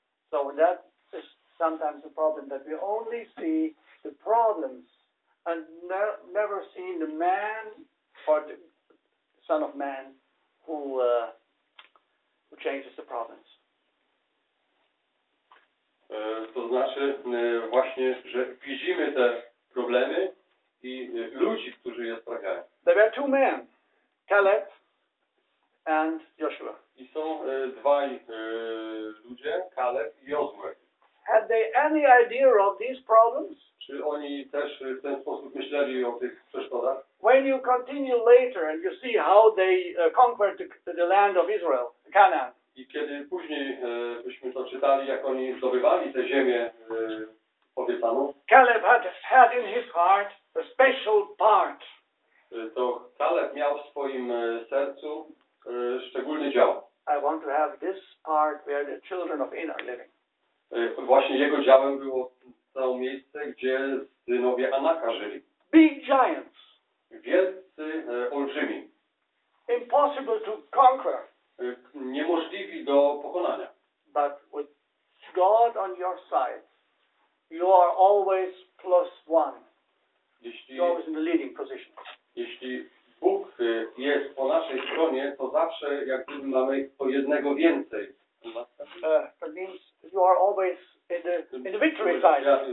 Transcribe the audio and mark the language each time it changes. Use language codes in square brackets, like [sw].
[en] So that is sometimes the problem that we only see the problems and never seen the man or the Son of Man who changes the problems. [pl] To znaczy właśnie, że widzimy te problemy i ludzi, którzy je sprawiają. [en] There were 2 men, Caleb and Joshua. [pl] I są dwaj ludzie, Caleb i Jozue. [en] Had they any idea of these problems? [pl] Czy oni też w ten sposób myśleli o tych przeszkodach? [en] When you continue later and you see how they conquered the land of Israel, Canaan. [pl] I kiedy później byśmy to czytali, jak oni zdobywali tę ziemię obiecaną. [en] Caleb had in his heart a special part. [pl] To Caleb miał w swoim sercu szczególny dział. [en] I want to have this part where the children of Anak are living. [pl] Właśnie jego działem było to miejsce, gdzie synowie Anaka żyli. [en] Big giants. [pl] Wielcy olbrzymi. [en] Impossible to conquer. [pl] Niemożliwi do pokonania. [en] But with God on your side, you are always plus one. [pl] Jeśli, [en] you're always in the leading position. [pl] Jeśli Bóg jest po naszej stronie, to zawsze jak gdyby mamy po jednego więcej. [en] That means you are always in the victory side.